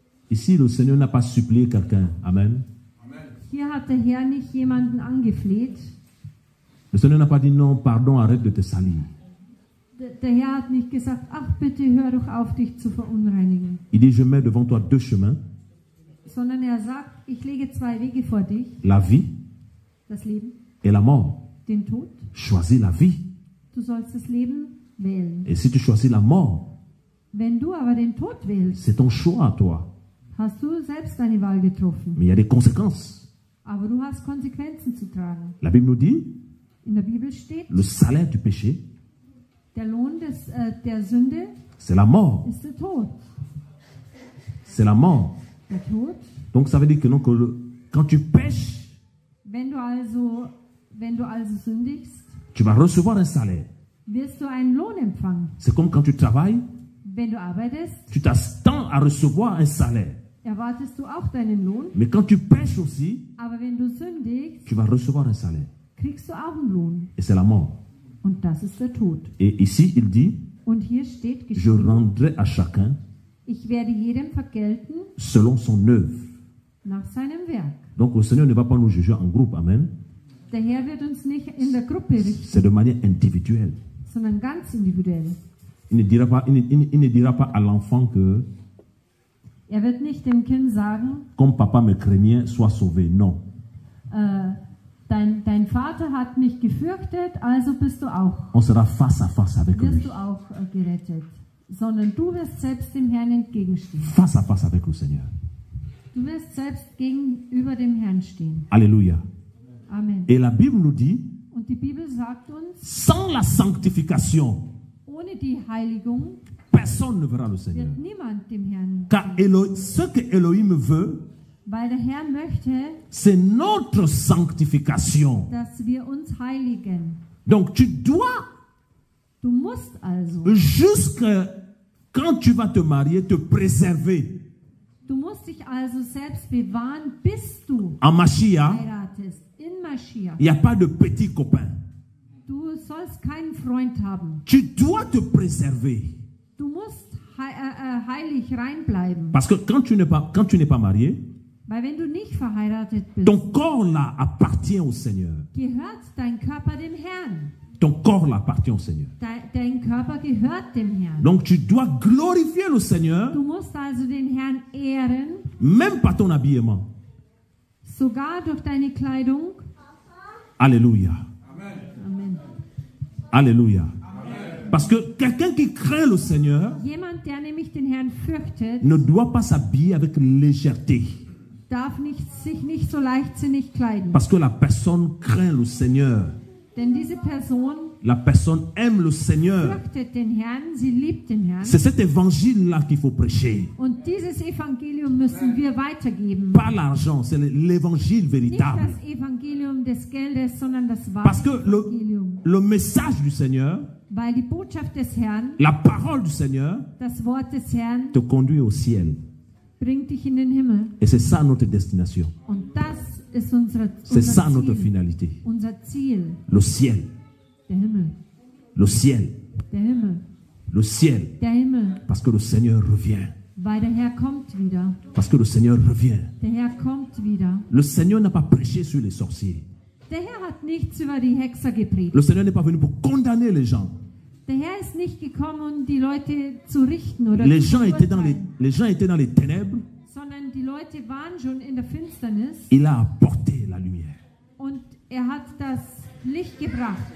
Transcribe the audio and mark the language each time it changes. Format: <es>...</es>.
<fr>Ici, le Seigneur n'a pas supplié quelqu'un. Amen.</fr> <de>Hier hat der Herr nicht jemanden angefleht.</de> <fr>Le Seigneur n'a pas dit non, pardon, arrête de te salir.</fr> <de>Der Herr hat nicht gesagt, ach bitte, hör doch auf, dich zu verunreinigen.</de> <fr>Il dit, je mets devant toi deux chemins.</fr> <de>Sondern er sagt, ich lege zwei Wege vor dich.</de> <fr>La vie.</fr> <de>Das Leben.</de> <fr>Et la mort.</fr> <de>Den Tod.</de> <fr>Choisis la vie.</fr> <de>Du sollst das Leben wählen.</de> <fr>Et si tu choisis la mort.</fr> <de>Wenn du aber den Tod wählst.</de> <fr>C'est ton choix à toi.</fr> <de>Hast du selbst deine Wahl getroffen.</de> <fr>Mais il y a des conséquences.</fr> <de>Aber du hast Konsequenzen zu tragen.</de> <fr>La Bible nous dit.</fr> <de>In der Bibel steht.</de> <fr>Le salaire du péché.</fr> <de>Der Lohn des, der Sünde,</de> <fr>c'est la mort.</fr> <de>Ist der Tod.</de> <fr>C'est la mort.</fr> <de>Der Tod.</de> <fr>Donc ça veut dire que non, que quand tu pèches,</fr> <de>wenn du also sündigst,</de> <fr>tu vas recevoir un salaire.</fr> <de>Wirst du einen Lohn empfangen.</de> <fr>C'est comme quand tu travailles,</fr> <de>wenn du arbeitest,</de> <fr>tu t'attends à recevoir un salaire.</fr> <de>Erwartest du auch deinen Lohn.</de> <fr>Mais quand tu pèches aussi,</fr> <de>aber wenn du sündigst,</de> <fr>tu vas recevoir un salaire.</fr> <de>Kriegst du auch einen Lohn.</de> <fr>Et c'est la mort.</fr> <de>Und das ist der Tod.</de> <fr>Et ici, il dit,</fr> <de>und hier steht</de> <fr>je rendrai à chacun</fr> <de>ich werde jedem vergelten</de> <fr>selon son œuvre.</fr> <de>Nach seinem Werk.</de> <fr>Donc le Seigneur ne va pas nous juger en groupe, amen.</fr> <de>Der Herr wird uns nicht in der Gruppe richten,</de> <fr>c'est de manière individuelle.</fr> <de>Sondern ganz individuell.</de> <fr>Il ne dira pas à l'enfant que</fr> <de>er wird nicht dem Kind sagen,</de> <fr>comme papa me craignait, sois sauvé. Non.</fr> <de>Dein Vater hat mich gefürchtet, also bist du auch.</de> <fr>On sera face à face avec</fr> <de>wirst</de> <fr>lui.</fr> <de>Du auch gerettet. Sondern du wirst selbst dem Herrn entgegenstehen.</de> <fr>Face à face avec le Seigneur.</fr> <de>Du wirst selbst gegenüber dem Herrn stehen.</de> <fr>Alléluia. Amen. Et la Bible nous dit,</fr> <de>und die Bibel sagt uns,</de> <fr>sans la sanctification,</fr> <de>ohne die Heiligung,</de> <fr>personne ne verra le Seigneur.</fr> <de>Wird niemand dem Herrn</de> <fr>car ce que Elohim veut,</fr> <de>weil der Herr möchte,</de> <fr>c'est notre sanctification.</fr> <de>Dass wir uns heiligen.</de> <fr>Donc tu dois,</fr> <de>du musst also,</de> <fr>jusque quand tu vas te marier, te préserver.</fr> <de>Du musst dich also selbst bewahren, bis du</de> <fr>en Mashiach,</fr> <de>heiratest. In Mashiach.</de> <fr>Il n'y a pas de petit copain.</fr> <de>Du sollst keinen Freund haben.</de> <fr>Tu dois te préserver.</fr> <de>Du musst heilig reinbleiben.</de> <fr>Parce que quand tu n'es pas marié,</fr> <de>weil wenn du nicht verheiratet bist,</de> <fr>ton corps là appartient au Seigneur.</fr> <de>Gehört dein Körper dem Herrn.</de> <fr>Ton corps là appartient au Seigneur.</fr> <de>Dein Körper gehört dem Herrn.</de> <fr>Donc tu dois glorifier le Seigneur.</fr> <de>Du musst also den Herrn ehren.</de> <fr>Même par ton habillement.</fr> <de>Sogar durch deine Kleidung.</de> <fr>Alléluia. Amen. Alléluia. Amen. Parce que quelqu'un qui craint le Seigneur,</fr> <de>jemand, der nämlich den Herrn fürchtet,</de> <fr>ne doit pas s'habiller avec légèreté.</fr> <de>Darf nicht, sich nicht so leichtsinnig kleiden.</de> <fr>Parce que la personne craint le Seigneur.</fr> <de>Denn diese Person,</de> <fr>la personne aime le Seigneur.</fr> <de>Fürchtet den Herrn, sie liebt den Herrn.</de> <fr>C'est cet évangile-là qu'il faut prêcher.</fr> <de>Und dieses Evangelium müssen wir weitergeben.</de> <fr>Pas l'argent, c'est l'évangile véritable.</fr> <de>Nicht das Evangelium des Geldes, sondern das wahre.</de> <fr>Parce que le message du Seigneur,</fr> <de>weil die Botschaft des Herrn,</de> <fr>la parole du Seigneur,</fr> <de>das Wort des Herrn,</de> <fr>te conduit au ciel.</fr> <de>Bringt dich in den Himmel.</de> <fr>Et c'est ça notre destination.</fr> <de>Und das ist unsere,</de> <fr>c'est</fr> <de>unser</de> <fr>ça</fr> <de>Ziel.</de> <fr>Notre finalité.</fr> <de>Unser Ziel.</de> <fr>Le ciel.</fr> <de>Der Himmel.</de> <fr>Le ciel.</fr> <de>Der Himmel.</de> <fr>Le ciel.</fr> <de>Der Himmel.</de> <fr>Parce que le Seigneur revient.</fr> <de>Weil der Herr kommt wieder.</de> <fr>Parce que le Seigneur revient.</fr> <de>Der Herr kommt wieder.</de> <fr>Le Seigneur n'a pas prêché sur les sorciers.</fr> <de>Der Herr hat nichts über die Hexer gepredigt.</de> <fr>Le Seigneur n'est pas venu pour condamner les gens.</fr> <de>Der Herr ist nicht gekommen, die Leute zu richten oder</de> <fr>les gens étaient dans les gens étaient dans les ténèbres.</fr> <de>Sondern die Leute waren schon in der Finsternis.</de> <fr>Il a apporté la lumière.</fr> <de>Und er hat das Licht gebracht.</de>